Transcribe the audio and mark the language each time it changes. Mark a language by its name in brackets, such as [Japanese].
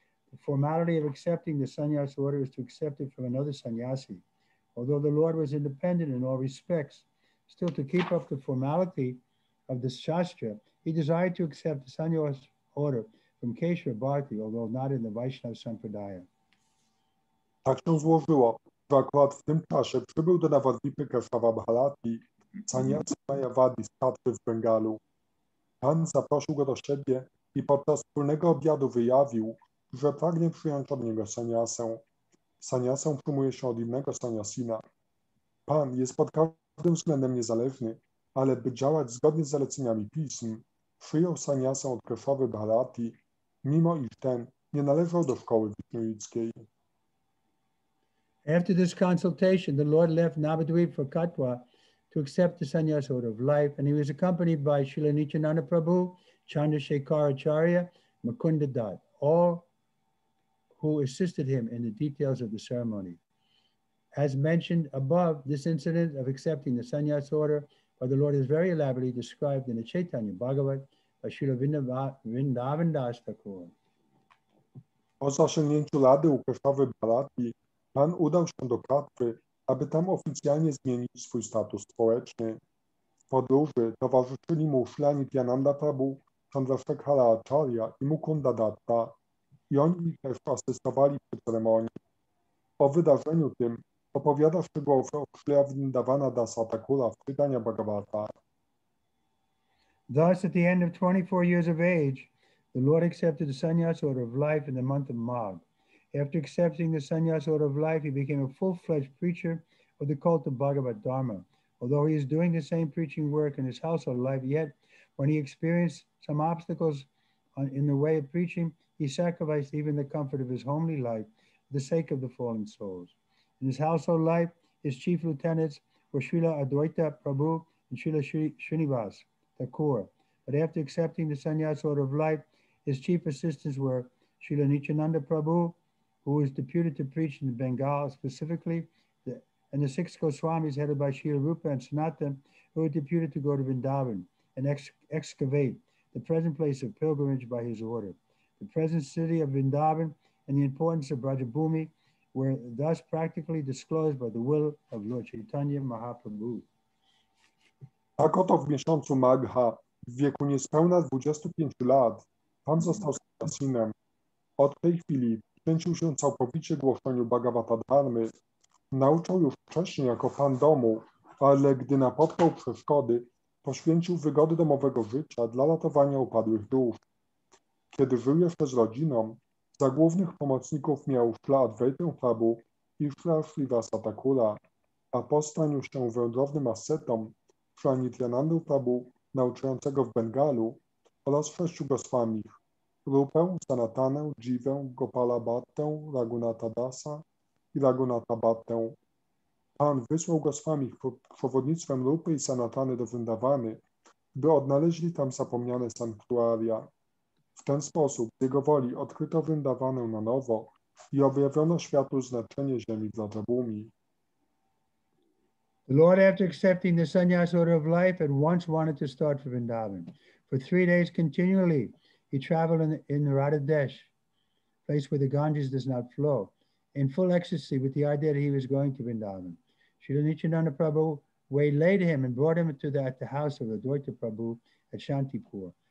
[English] The formality of accepting the sannyas order is to accept it from another sannyasi. Although the Lord was independent in all respects, still to keep up the formality of the Shastra, he desired to accept the sannyas order from Keshava Bharati, although not in the Vaishnava Sampradaya. [Polish] Tak się złożyło, że akurat w tym czasie przybył do Navadvipy Keshava Bharati, sannyasi Mayavadi z Katwy w Bengalu. Pan zaprosił go do siebie i podczas wspólnego obiadu wyjawił, że pragnie przyjąć od niego sannyasę. Sannyasę przyjmuje się od innego sannyasina. Pan jest pod każdym względem niezależny, ale by działać zgodnie z zaleceniami pism, przyjął sannyasę od Keshawy Bharati, mimo iż ten nie należał do szkoły wisnuickiej. [English] After this consultation, the Lord left Navadvip for Katwa to accept the sannyas order of life, and he was accompanied by Srila Nityananda Prabhu, Chandrasekhar Acharya, Mukunda Dutt, all who assisted him in the details of the ceremony. As mentioned above, this incident of accepting the sannyas order by the Lord is very elaborately described in the Chaitanya Bhagavat by Srila Vrindavan Das Thakur. [Polish] Po zasięgnięciu rady u Keshawy Bharati, Pan udał się do Katwy, aby tam oficjalnie zmienić swój status społeczny. W podróży towarzyszyli mu Srila Nityananda Prabhu, Chandrasekhara Acharya i Mukunda Datta. I oni też asystowali przy ceremonii. O wydarzeniu tym opowiada szczegółowo Srila Vrindavana Dasa Thakura w Chaitanya Bhagavata. [English] Thus, at the end of 24 years of age, the Lord accepted the sannyas order of life in the month of Magh. After accepting the sannyas order of life, he became a full-fledged preacher of the cult of Bhagavad Dharma. Although he is doing the same preaching work in his household life, yet when he experienced some obstacles in the way of preaching, he sacrificed even the comfort of his homely life for the sake of the fallen souls. In his household life, his chief lieutenants were Srila Advaita Prabhu and Srila Srinivas Thakur. But after accepting the sannyas order of life, his chief assistants were Srila Nityananda Prabhu, who was deputed to preach in Bengal specifically, and the six Goswamis headed by Srila Rupa and Sanatan, who were deputed to go to Vrindavan and excavate the present place of pilgrimage by his order. The present city of Vrindavan and the importance of Brajabhumi were thus practically disclosed by the will of Lord Chaitanya Mahaprabhu. [Polish] Tak oto w miesiącu Magha W wieku niespełna 25 lat Pan został sannyasinem. Od tej chwili poświęcił się całkowicie głoszeniu Bhagavata Dharmy. Nauczał już wcześniej jako Pan domu, ale gdy napotkał przeszkody, poświęcił wygody domowego życia dla ratowania upadłych dusz. Kiedy żył jeszcze z rodziną, za głównych pomocników miał Śla Advaitę Prabhu i Śla Śrivasa Thakura, a postanił się wędrownym asetą Śla Nityanandu Prabhu, nauczającego w Bengalu, oraz sześciu goswamich: Rupę, Sanatanę, Dziwę, Gopala Bhattę, Raghunatha Dasa i Raghunatha Bhattę. Pan wysłał goswamich pod przewodnictwem Rupy i Sanatany do Wrindawany, by odnaleźli tam zapomniane sanktuaria. W ten sposób, z jego woli, odkryto Wrindawanę na nowo i objawiono światu znaczenie ziemi Vrajabhumi. [English] The Lord, after accepting the sannyas order of life, at once wanted to start for Vrindavan. For 3 days continually, he traveled in the Radha Desh, place where the Ganges does not flow, in full ecstasy with the idea that he was going to Vrindavan. Srila Nityananda Prabhu waylaid him and brought him at the house of Advaita Prabhu at Shantipur.